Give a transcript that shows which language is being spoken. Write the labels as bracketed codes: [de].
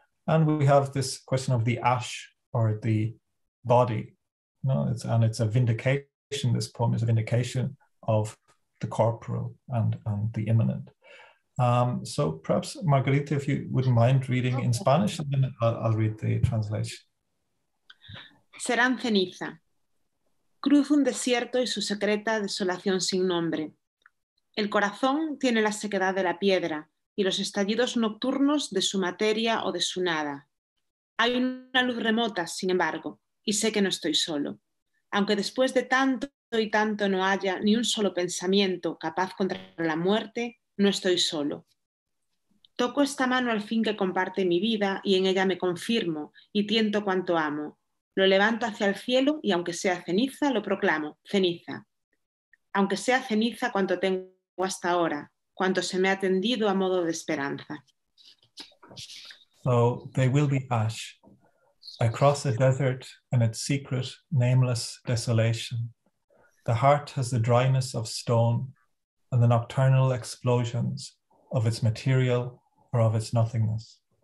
[en] And we have this question of the ash or the body. You know, it's a vindication. This poem is a vindication of the corporal and the imminent. So perhaps, Margarita, if you wouldn't mind reading in Spanish, and then I'll read the translation. [es] Serán ceniza. Cruzo un desierto y su secreta desolación sin nombre. El corazón tiene la sequedad de la piedra y los estallidos nocturnos de su materia o de su nada. Hay una luz remota, sin embargo, y sé que no estoy solo. Aunque después de tanto y tanto no haya ni un solo pensamiento capaz contra la muerte, no estoy solo. Toco esta mano al fin que comparte mi vida y en ella me confirmo y tiento cuanto amo. Lo levanto hacia el cielo y aunque sea ceniza, lo proclamo, ceniza. Aunque sea ceniza cuanto tengo hasta ahora, cuanto se me ha atendido a modo de esperanza. [en] So they will be ash, across a desert and its secret, nameless desolation. The heart has the dryness of stone and the nocturnal explosions of its material or of its nothingness.